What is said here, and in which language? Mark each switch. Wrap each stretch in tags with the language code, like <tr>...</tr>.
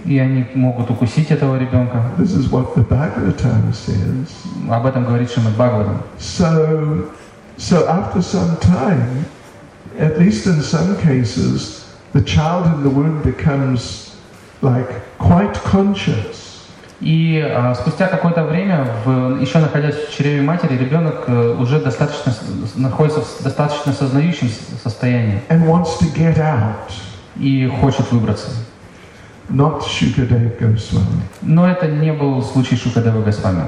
<ru>И они могут укусить этого ребенка.</ru> <en>This is what the Bhagavatam says.</en> <ru>Об этом говорит Шримад Бхагаватам.</ru> <en>So after some time, at least in some cases, the child in the womb becomes like quite conscious.</en> <ru>И спустя какое-то время, еще находясь в чреве матери, ребенок уже достаточно находится в достаточно сознающем состоянии.</ru> <en>And wants to get out.</en> <ru>И хочет выбраться.</ru> <en>Not Shukadeva Goswami.</en> <ru>Но это не был случай Шукадевы Госвами.</ru>